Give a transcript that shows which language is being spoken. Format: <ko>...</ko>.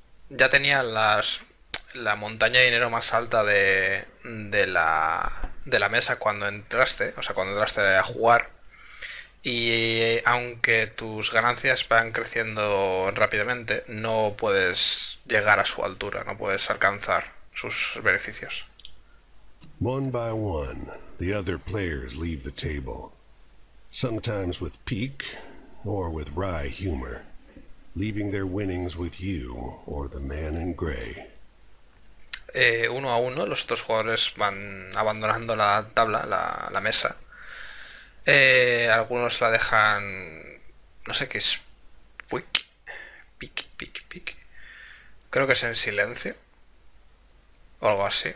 <es>Ya tenía la montaña de dinero más alta de la mesa cuando entraste, o sea, cuando entraste a jugar. Y aunque tus ganancias van creciendo rápidamente, no puedes llegar a su altura, no puedes alcanzar sus beneficios.</es> <en>One by one, the other players leave the table, sometimes with pique or with wry humor, leaving their winnings with you or the man in gray.</en> <es>Uno a uno, los otros jugadores van abandonando la tabla, la mesa. Algunos la dejan, no sé qué es, pic. Creo que es en silencio o algo así.</es>